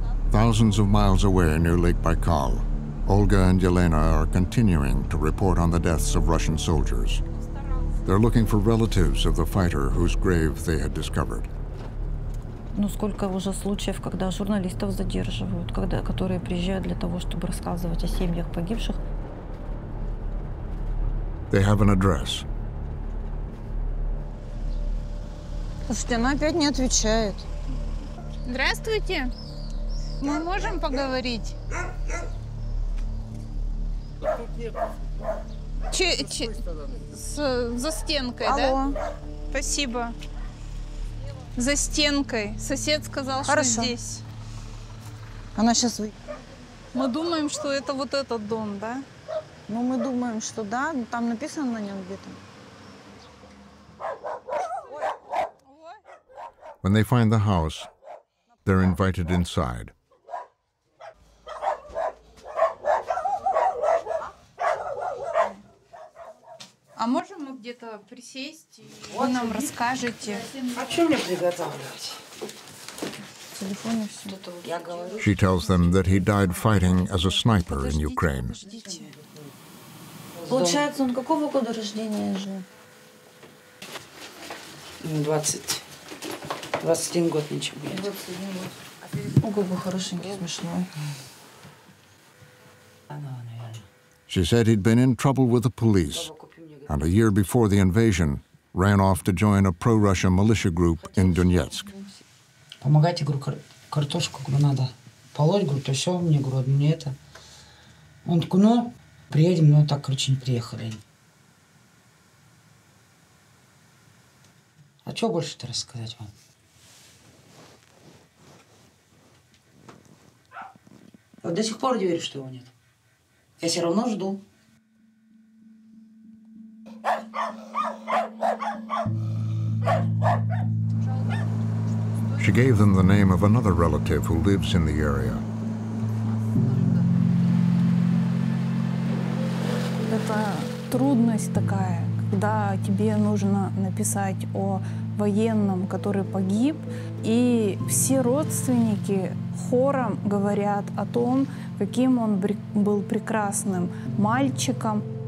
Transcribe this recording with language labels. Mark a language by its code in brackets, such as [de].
[en] Thousands of miles away near Lake Baikal, Olga and Yelena are continuing to report on the deaths of Russian soldiers. They're looking for relatives of the fighter whose grave they had discovered. [ru] Ну сколько уже случаев, когда журналистов задерживают, когда которые приезжают для того, чтобы рассказывать о семьях погибших. [en] They have an address. [ru] Слушайте, она опять не отвечает. Здравствуйте. Мы можем поговорить? За стенкой, алло. Да? Алло. Спасибо. За стенкой. Сосед сказал, хорошо, что здесь. Она сейчас выйдет. Мы думаем, что это вот этот дом, да? Ну, мы думаем, что да. Там написано на нем где-то. [en] When they find the house, they're invited inside. [ru] А можем мы где-то присесть и вот вы нам расскажете? А что мне приготовлять? Телефон и все. Вот я говорю. [en] She tells them that he died fighting as a sniper in Ukraine. [ru] Получается, он какого года рождения же? 21 год ничего нет. 21 год. Ого, хорошенький, смешной. [en] She said he'd been in trouble with the police. And a year before the invasion, ran off to join a pro-Russian militia group in Donetsk. [ru] Помогайте, говорю, картошку, говорю, надо полоть, говорю, то все, мне, говорю, мне это. Он такой, ну, приедем, но так, короче, не приехали. А что больше-то рассказать вам? Вот до сих пор не верю, что его нет. Я все равно жду. [en] She gave them the name of another relative who lives in the area. [ru] Это трудность такая, когда тебе нужно написать о военном, который погиб, и все родственники хором говорят о том, каким он был прекрасным мальчиком.